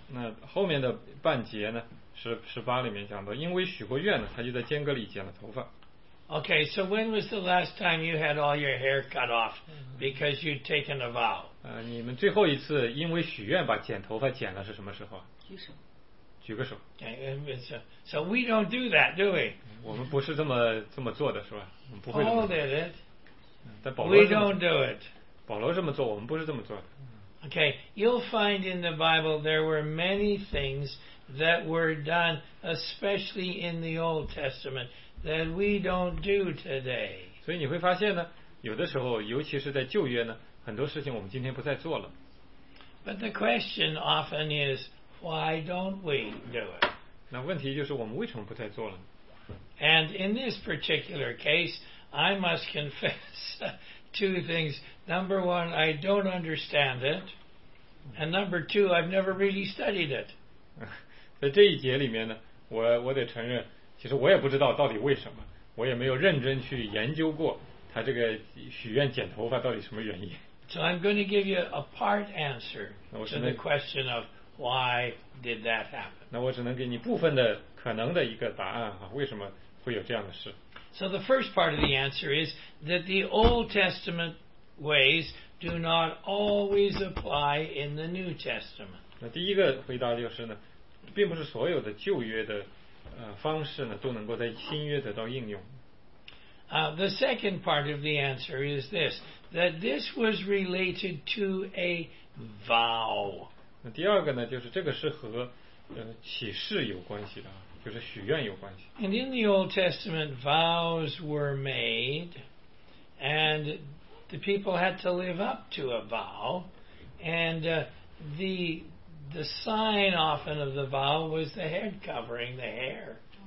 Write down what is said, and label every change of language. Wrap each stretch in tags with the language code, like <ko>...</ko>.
<zh>那后面的半节呢，是18里面讲到，因为许过愿呢，他就在监阁里剪了头发。</zh> <en>Okay, so when was the last time you had all your hair cut off because you'd taken a vow?</en> <zh>你们最后一次因为许愿把剪头发剪了是什么时候？举手。举个手。</zh> <en>So we don't do that, do we?</en> <zh>我们不是这么做的是吧？我们不会这么做。</zh> <en>Paul did it. We don't do it.</en> <zh>保罗这么做，我们不是这么做的。</zh> <en>Okay, you'll find in the Bible there were many things that were done, especially in the Old Testament, that we don't do today.</en> <zh>所以你会发现呢，有的时候，尤其是在旧约呢，很多事情我们今天不再做了。</zh> <en>But the question often is, why don't we do it?</en> <zh>那问题就是我们为什么不再做了呢？</zh> <en>And in this particular case, I must confess two things. Number one, I don't understand it. And number two, I've never really studied it.</en> <zh>在这一节里面呢，我得承认，其实我也不知道到底为什么，我也没有认真去研究过他这个许愿剪头发到底什么原因。</zh> <en>So I'm going to give you a part answer to the question of why did that happen.</en> <zh>那我只能给你部分的可能的一个答案啊，为什么会有这样的事。</zh> <en>So the first part of the answer is that the Old Testament ways do not always apply in the New Testament.</en> <zh>那第一个回答就是呢，并不是所有的旧约的方式呢都能够在新约得到应用。</zh> <en>The second part of the answer is this, that this was related to a vow.</en> <zh>那第二个呢，就是这个是和启示有关系的，就是许愿有关系。</zh> <en>And in the Old Testament, vows were made, and the people had to live up to a vow, and the sign often of the vow was the head covering, the hair.</en>